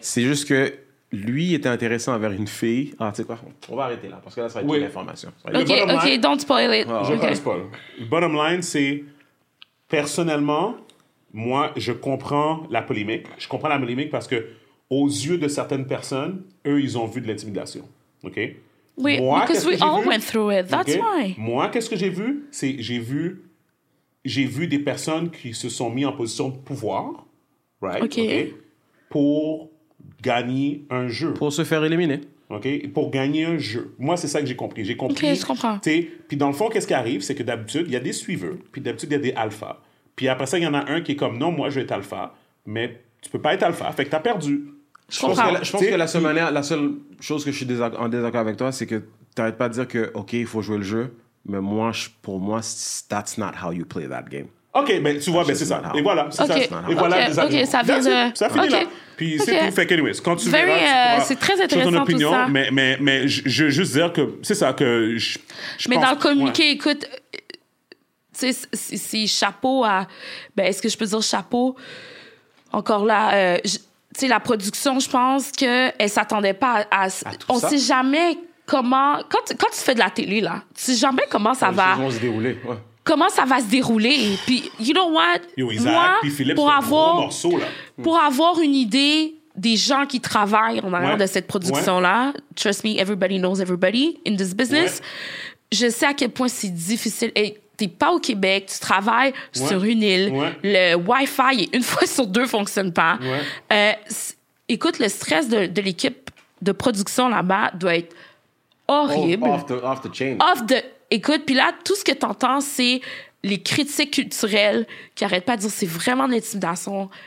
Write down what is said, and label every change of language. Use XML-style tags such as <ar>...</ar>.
<fr>C'est juste que lui était intéressant envers une fille. Ah, tu sais quoi? On va arrêter là, parce que là, ça va être oui. L'information.</fr> <en>OK, OK, line, don't spoil it.</en> <fr>Oh, je ne okay. Spoil. Bottom line, c'est... Personnellement, moi, je comprends la polémique. Je comprends la polémique parce que, aux yeux de certaines personnes, eux, ils ont vu de l'intimidation. OK? Oui, moi,</fr> <en>because we all went through it. That's okay? Why.</en> <fr>Moi, qu'est-ce que j'ai vu? C'est, j'ai vu des personnes qui se sont mises en position de pouvoir, right? OK. Okay? Pour gagner un jeu. Pour se faire éliminer. OK? Pour gagner un jeu. Moi, c'est ça que j'ai compris. J'ai compris. OK, je comprends. T'sais, puis dans le fond, qu'est-ce qui arrive? C'est que d'habitude, il y a des suiveurs. Puis d'habitude, il y a des alphas. Puis après ça, il y en a un qui est comme, non, moi, je vais être alpha. Mais tu peux pas être alpha. Fait que t'as perdu. Je comprends. La seule chose que je suis en désaccord avec toi, c'est que t'arrêtes pas de dire que, OK, il faut jouer le jeu. Mais moi, pour moi,</fr> <en>that's not how you play that game.</en> <fr>OK, mais tu vois, ben c'est ça. How. Et voilà. C'est okay. Ça. Et voilà. OK, okay ça vient de... Ça finit okay. Là. Puis okay. C'est tout. Fait qu'anyways, quand tu</fr> <en>very,</en> <fr>verras... Tu c'est très intéressant ton opinion, tout ça. Mais je veux juste dire que... C'est ça que je pense... Mais dans le communiqué, ouais. Écoute... Tu sais, c'est chapeau à... Ben, est-ce que je peux dire chapeau? Encore là, tu sais, la production, je pense qu'elle ne s'attendait pas à... On ne sait jamais comment... Quand tu fais de la télé, là, tu ne sais jamais comment ça va... Se dérouler, ouais. Comment ça va se dérouler. Puis,</fr> <en>you know what?</en> <fr>Yo, Isaac, moi, puis Philippe, pour avoir, un gros morceau, là. Pour avoir une idée des gens qui travaillent en arrière ouais. De cette production-là, ouais.</fr> <en>Trust me, everybody knows everybody in this business, ouais.</en> <fr>Je sais à quel point c'est difficile... Et, t'es pas au Québec, tu travailles ouais. Sur une île, ouais. Le Wi-Fi une fois sur deux fonctionne pas. Ouais. Écoute, le stress de l'équipe de production là-bas doit être horrible.</fr> <en>Off the chain.</en> <fr>Écoute, puis là, tout ce que t'entends, c'est les critiques culturelles qui arrêtent pas de dire c'est vraiment de l'intimidation.</fr>